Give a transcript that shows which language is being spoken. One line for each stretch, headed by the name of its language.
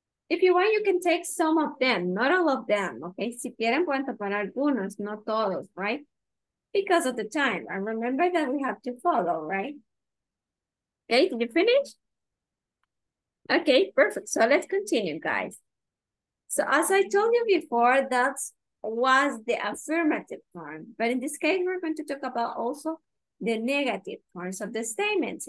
English: If you want, you can take some of them, not all of them, okay?
Spanish: Si quieren, pueden tomar algunos, no todos, right?
English: Because of the time. And remember that we have to follow, right? Okay, did you finish? Okay, perfect. So let's continue, guys. So as I told you before, that was the affirmative form. But in this case, we're going to talk about also the negative forms of the statements.